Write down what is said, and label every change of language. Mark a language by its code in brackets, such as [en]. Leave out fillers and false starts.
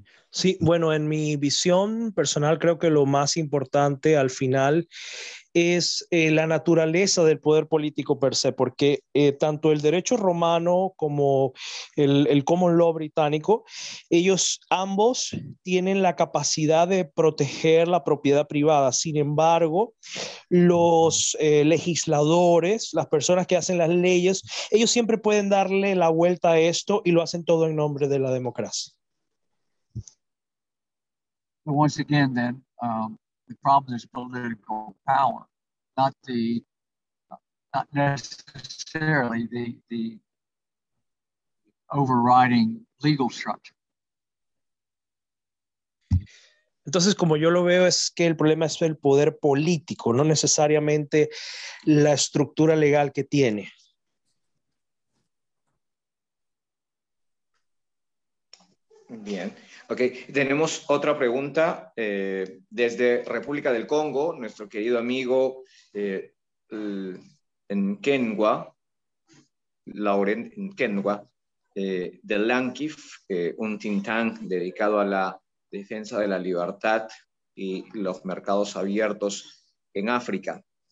[es] Sí, bueno, en mi visión personal creo que lo más importante al final es la naturaleza del poder político per se, porque tanto el derecho romano como el common law británico, ellos ambos tienen la capacidad de proteger la propiedad privada. Sin embargo, los legisladores, las personas que hacen las leyes, ellos siempre pueden darle la vuelta a esto y lo hacen todo en nombre de la democracia. [en] But once again, then, the problem is political power, not necessarily the overriding legal structure. [es] Entonces, como yo lo veo, es que el problema es el poder político, no necesariamente la estructura legal que tiene. Bien. Ok, tenemos otra pregunta desde República del Congo, nuestro querido amigo Nkengwa, Lauren Nkengwa, de LANKIF, un think tank dedicado a la defensa de la libertad y los mercados abiertos en África.